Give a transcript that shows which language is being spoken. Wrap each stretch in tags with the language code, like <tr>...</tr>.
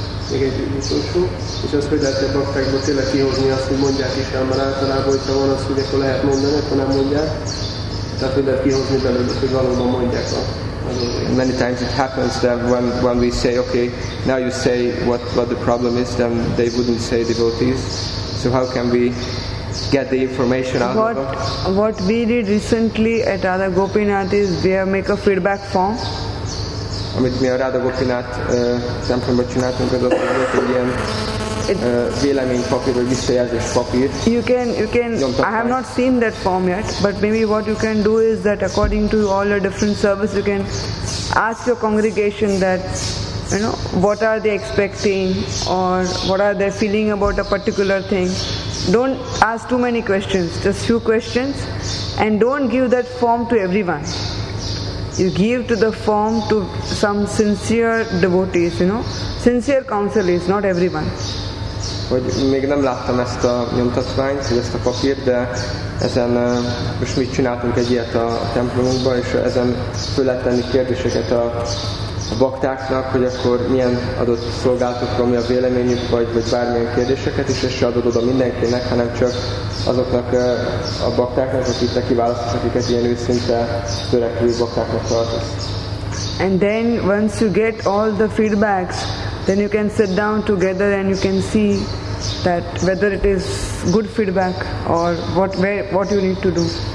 <hu>Még egy utolsó, és az, hogy lehet a baktákból tényleg kihozni azt, hogy mondják is el, mert általában, hogyha van az, hogy akkor lehet mondani, akkor nem mondják. Tehát, hogy lehet kihozni belőle, hogy valóban mondják a</hu> <en>And many times it happens that when we say, okay, now you say what the problem is, then they wouldn't say devotees. So how can we get the information out what, of them? What we did recently at Radha Gopinath is we have make a feedback form.</en> <hu>Amit mi a Radha Gopinath templomba csináltunk, az ott volt egy ilyen véleménypapír, vagy visszajelzés papír.</hu> <en>You can, I have not seen that form yet, but maybe what you can do is that according to all the different service, you can ask your congregation that, you know, what are they expecting, or what are they feeling about a particular thing. Don't ask too many questions, just few questions, and don't give that form to everyone. You give to the form to some sincere devotees, you know. Sincere counselees, not everyone.</en> <hu>Hogy még nem láttam ezt a nyomtatványt, vagy ezt a papírt, de ezen most mi csináltunk egy ilyet a templomunkban, és ezen föl lehet tenni kérdéseket a baktáknak, hogy akkor milyen adott szolgálatokra, mi a véleményük, vagy bármilyen kérdéseket, és ezt se adod oda mindenkinek, hanem csak azoknak a baktáknak, akik te kiválasztasz, akiket ilyen őszinte törekvő baktáknak tartasz.</hu> <en>And then once you get all the feedbacks, then you can sit down together and you can see that whether it is good feedback or what you need to do.</en>